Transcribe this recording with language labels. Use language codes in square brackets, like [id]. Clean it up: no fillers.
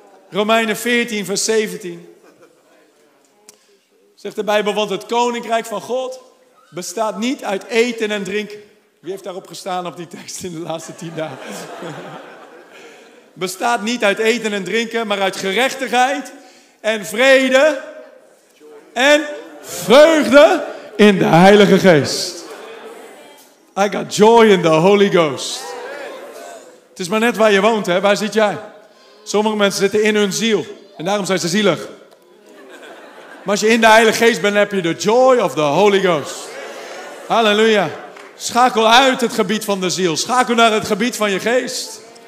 [nl] Romeinen 14, vers 17. Zegt de Bijbel, want het koninkrijk van God bestaat niet uit eten en drinken. Wie heeft daarop gestaan op die tekst in de laatste 10 dagen? Bestaat niet uit eten en drinken, maar uit gerechtigheid en vrede en vreugde in de Heilige Geest. [en] I got joy in the Holy Ghost. [nl] Het is maar net waar je woont, hè? Waar zit jij? Sommige mensen zitten in hun ziel en daarom zijn ze zielig. Maar als je in de Heilige Geest bent, heb je de [en] joy of the Holy Ghost. [nl] Halleluja. Schakel uit het gebied van de ziel. Schakel naar het gebied van je geest.